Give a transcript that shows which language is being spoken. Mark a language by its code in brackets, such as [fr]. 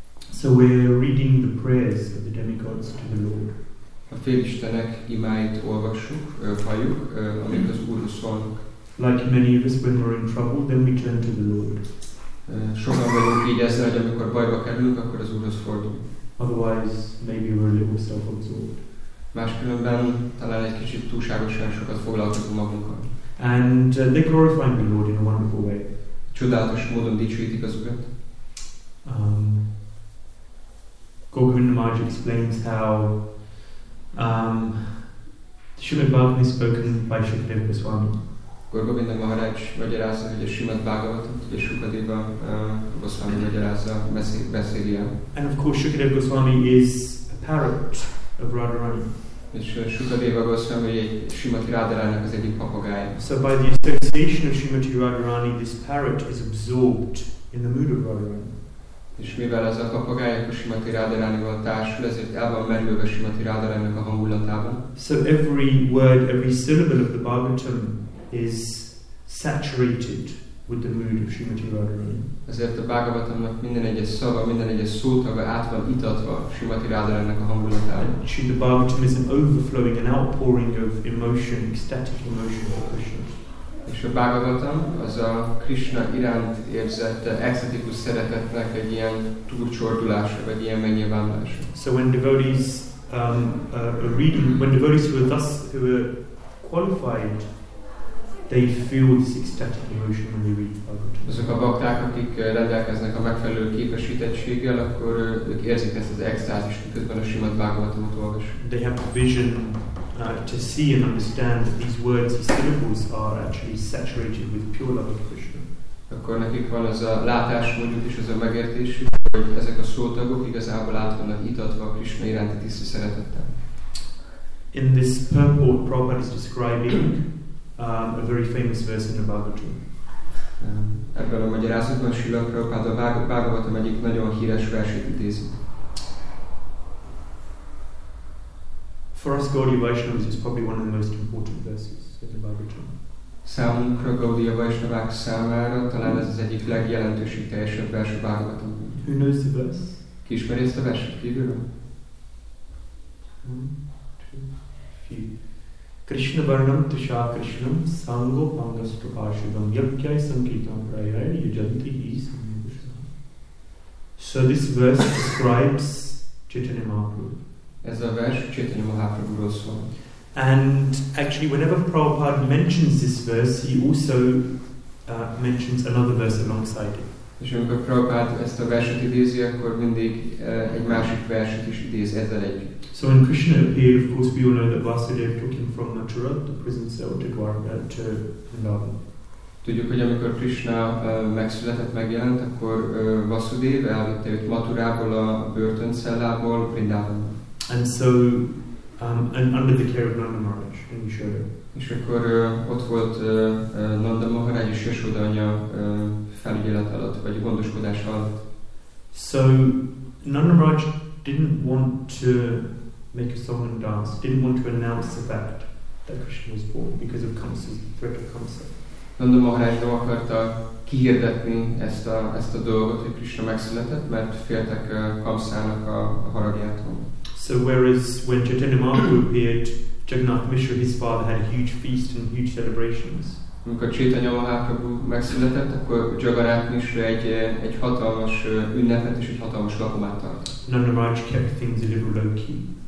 [en] So we're reading the prayers of the demigods to the Lord. [hu] A félistenek imáit olvassuk, halljuk, amik az Úrhoz szólnak. [en] Like many of us, when we're in trouble, then we turn to the Lord. [hu] Sokan vagyunk így ezzel, hogy amikor bajba kerülünk, akkor az Úrhoz fordulunk. [en] Otherwise, maybe we're a little self-absorbed. [hu] Máskülönben talán egy kicsit túlságosan sokat foglalkozunk magunkkal. [en] And they glorify the Lord in a wonderful way. [hu] Csodálatos módon dicsőítik az Urat. [en] Gokavinda Maharaj explains how Srimad Bhagavatam is spoken by Shukadeva Goswami. [hu] Gokavinda Maharaj magyarázza, hogy a Srimad Bhagavatam, hogy a Shukadeva Goswami magyarázza, beszéli el. [en] And of course Shukadeva Goswami is a parrot of Radharani. [hu] És Shukadeva Goswami egy Srimati Radharani-nak az egyik papagája. [en] So by the association of Srimati Radharani, this parrot is absorbed in the mood of Radharani. [hu] És mivel ez a kapagályok a Simati Rádaránival társul, ezért el van merülve Simati Rádaránnak a hangulatában. [en] So every word, every syllable of the Bhagavatam is saturated with the mood of Simati Rádaráni. [hu] Ezért a Bhagavatamnak minden egyes szava, minden egyes szótaga át van itatva Simati Rádaránnak a hangulatában. [en] Shri Bhagavatam is an overflowing, an outpouring of emotion, ecstatic emotion for Krishna. [hu] És a Bhagavatam az a Krishna iránt érzett extatikus szeretetnek egy ilyen túlcsordulása, vagy ilyen megnyilvánulása. [en] So when devotees who are qualified, they feel this ecstatic emotion when they read Bhagavatam. [hu] Azok a bakták, akik rendelkeznek a megfelelő képesítettséggel, akkor ők érzik ezt az extázis, miközben a Srimad Bhagavatamot olvasják. [en] They have vision to see and understand that these words, these syllables are actually saturated with pure love of Krishna. [hu] Akkor nekik van az a látásmódjuk és az a megértésük, hogy ezek a szótagok igazából át vannak itatva a Krishna iránti tiszta szeretettel. [en] In this purport, Prabhupada is describing a very famous verse in the Bhagavatam. [hu] Ebben a magyarázatban Srila Prabhupada a Bhagavatam egyik nagyon híres versét idézi. [en] For us Gaudiya Vaishnavas, it's probably one of the most important verses in the Bhagavatam. [hu] Számunkra Gaudiya Vaishnavák számára talán ez az egyik legjelentősebb, teljesebb vers a Bhagavatam. [en] Who knows the verse? [hu] Ki ismeri ezt a verset kívülről? [en] One, two, few. [sa] Krishna varnam tusha krishnam sango pangastu ashidam yapkyai sankitam prayai yujanti hi samyugusha. [en] So this verse describes Chaitanya Mahaprabhu. [hu] Ez a vers Chaitanya Mahaprabhu-ról szól. [en] And actually whenever Prabhupada mentions this verse, he also mentions another verse alongside it. [hu] És amikor Prabhupada ezt a verset idézi, akkor mindig egy másik verset is idéz ezzel együtt. [en] So when Krishna appeared, of course we all know that Vasudev took him from Mathura, the prison cell, to Dwarka, to Vrindavan. [hu] Tudjuk, hogy amikor Krishna megszületett, megjelent, akkor Vasudev elvitte őt Mathurából, a börtöncellából, Vrindavan. [en] And so, and under the care of Nanda Maharaj in Yashoda. [hu] És akkor ott volt Nanda Maharaj és Yashoda anya felügyelet alatt, vagy gondoskodás alatt. [en] So, Nanda Maharaj didn't want to make a song and dance, didn't want to announce the fact that Krishna was born because of Kamsa, the threat of Kamsa. [hu] Nanda Maharaj nem akarta kihirdetni ezt a dolgot, hogy Krishna megszületett, mert féltek Kamsának a haragjától. [en] So whereas when Chaitanya Mahaprabhu appeared, Jagannath Mishra, his father, had a huge feast and huge celebrations. [hu] Amikor Chaitanya Mahaprabhu megszületett, akkor Jagannath Mishra egy hatalmas ünnepet és egy hatalmas lakomát tart. [en] Nanda Maharaj kept things a little low-key.